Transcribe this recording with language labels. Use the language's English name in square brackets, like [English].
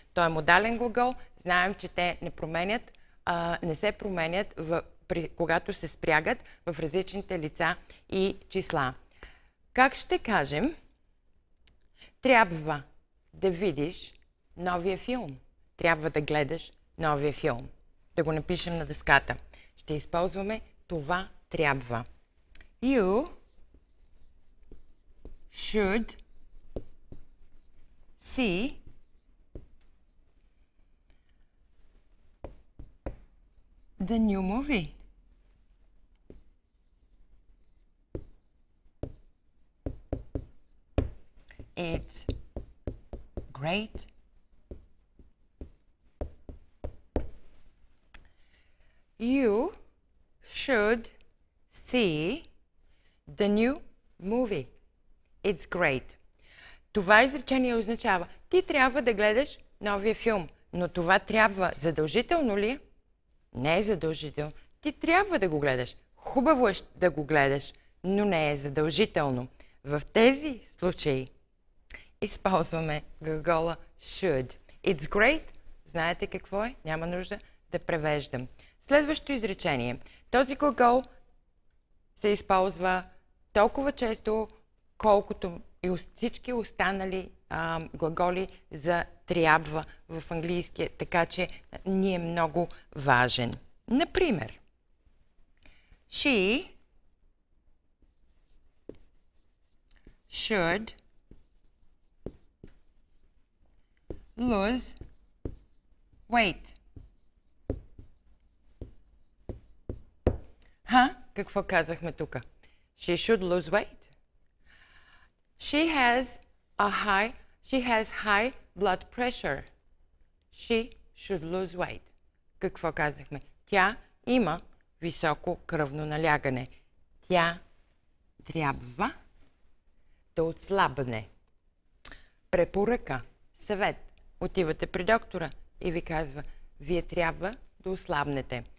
[Bulgarian] Той е модален глагол. Знаем, че те не се променят когато се спрягат в различните лица и числа. Как ще кажем Трябва да видиш новия филм. Трябва да гледаш новия филм. Да го напишем на дъската. Ще използваме това трябва. [English] You should see the new movie. It's great. You should see the new movie. It's great. [Bulgarian] Това изречение означава, ти трябва да гледаш новия филм, но това трябва задължително ли? Не е задължително. Ти трябва да го гледаш. Хубаво е да го гледаш, но не е задължително. В тези случаи използваме глагола should. [English] It's great. [Bulgarian] Знаете какво е? Няма нужда да превеждам. Следващото изречение. Този глагол се използва толкова често, колкото и всички останали глаголи за трябва в английски. Така че ни е много важен. Например, [English] she should lose weight. [Bulgarian] Ха? Какво казахме тука? [English] She should lose weight. She has high blood pressure. She should lose weight. [Bulgarian] Какво казахме? Тя има високо кръвно налягане. Тя трябва да отслабне. Препоръка, съвет. Отивате при доктора и ви казва, вие трябва да ослабнете.